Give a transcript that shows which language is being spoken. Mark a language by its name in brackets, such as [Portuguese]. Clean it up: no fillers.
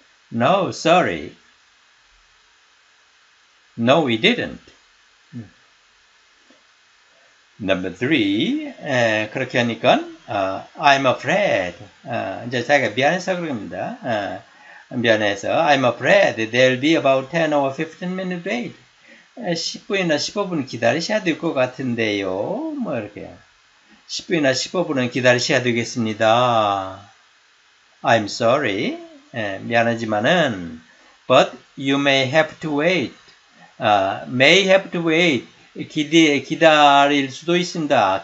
[English] No, sorry. No, we didn't. Number three, [Korean] 그렇게 하니까, [English] I'm afraid. [Korean] 이제 자기가 미안해서 그런 겁니다. 미안해서, [English] I'm afraid there'll be about 10 or 15 minute wait. [Korean] 10분이나 15분 기다리셔야 될 것 같은데요. 뭐, 이렇게. 10분이나 15분은 기다리셔야 되겠습니다. [English] I'm sorry. [Korean] 미안하지만은, [English] but you may have to wait. May have to wait. [Korean] 기다릴 수도 있습니다.